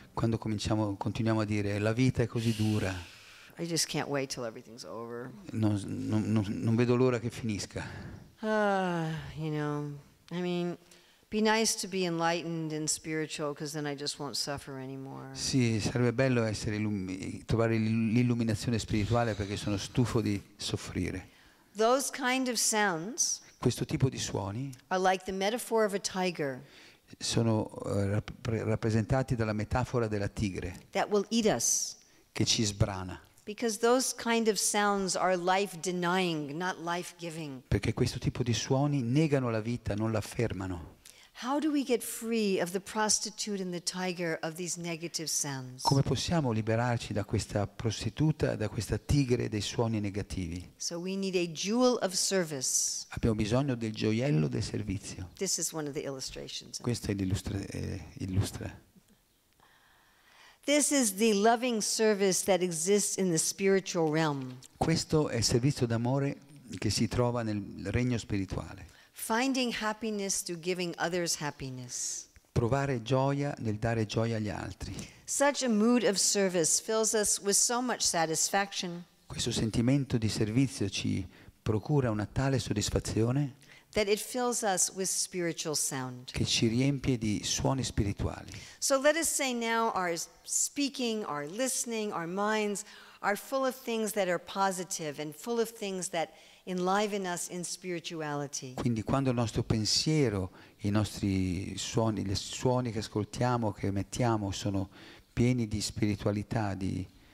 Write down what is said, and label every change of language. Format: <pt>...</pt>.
<it>Quando continuiamo a dire la vita è così dura.</it> <en>I just can't wait till everything's over.</en> <it>Non vedo l'ora che finisca.</it> <en>You know, I mean, be nice to be enlightened and spiritual because then I just won't suffer anymore.</en> <it>Sì, sarebbe bello essere trovare l'illuminazione spirituale perché sono stufo di soffrire.</it> <en>Those kind of sounds.</en> <it>Questo tipo di suoni</it> <en>are like the metaphor of a tiger.</en> <it>Sono rappresentati dalla metafora della tigre.</it> <en>That will eat us.</en> <it>Che ci sbrana.</it> <en>Because those kind of sounds are life denying, not life giving.</en> <it>Perché questo tipo di suoni negano la vita, non la fermano.</it> <en>How do we get free of the prostitute and the tiger of these negative sounds?</en> <it>Come possiamo liberarci da questa prostituta, da questa tigre dei suoni negativi?</it> <en>So we need a jewel of service.</en> <it>Abbiamo bisogno del gioiello del servizio.</it> <en>This is one of the illustrations.</en> <it>Questa è illustra.</it> <en>This is the loving service that exists in the spiritual realm.</en> <it>Questo è il servizio d'amore che si trova nel regno spirituale.</it> <en>Finding happiness through giving others happiness.</en> <it>Provare gioia nel dare gioia agli altri.</it> <en>Such a mood of service fills us with so much satisfaction.</en> <it>Questo sentimento di servizio ci procura una tale soddisfazione.</it> <en>That it fills us with spiritual sound.</en> <it>Che ci riempie di suoni spirituali.</it> <en>So let us say now our speaking, our listening, our minds are full of things that are positive and full of things that enliven us in spirituality.</en> <it>Quindi quando il nostro pensiero, i nostri suoni, le suoni che ascoltiamo, che emettiamo sono pieni di spiritualità, di</it>